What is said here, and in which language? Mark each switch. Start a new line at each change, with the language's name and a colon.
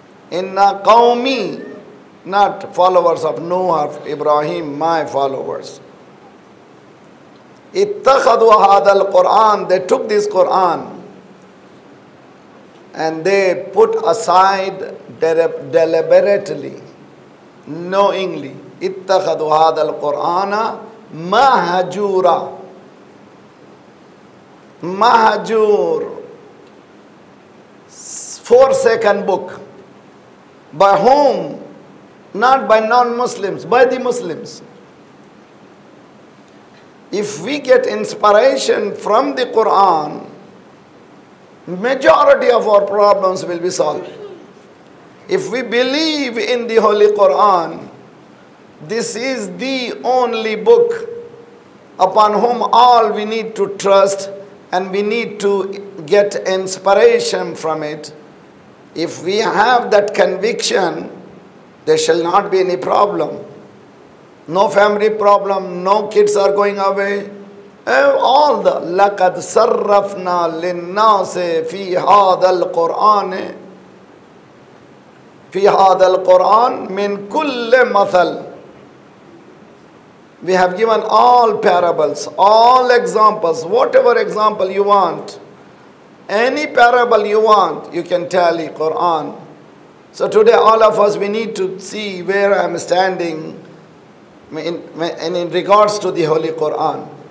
Arabic: Inna qawmi,
English: not followers of Noah or Ibrahim, my followers.
Arabic: Ittakhadu hadhal Qur'an,
English: they took this Qur'an and they put aside deliberately. Knowingly,
Arabic: اتخذوا هذا القرآن مهجورا. مهجور.
English: Forsaken book. By whom? Not by non-Muslims, by the Muslims. If we get inspiration from the Quran, majority of our problems will be solved. If we believe in the Holy Quran, this is the only book upon whom all we need to trust and we need to get inspiration from it. If we have that conviction, there shall not be any problem. No family problem, no kids are going away. All the
Arabic: لَقَدْ صَرَّفْنَا لِلنَّاسِ فِي هَذَا الْقُرْآنِ في هذا القرآن من كل مثل.
English: We have given all parables, all examples, whatever example you want, any parable you want, you can tell the Quran. So today all of us, we need to see where I am standing, in regards to the Holy Quran.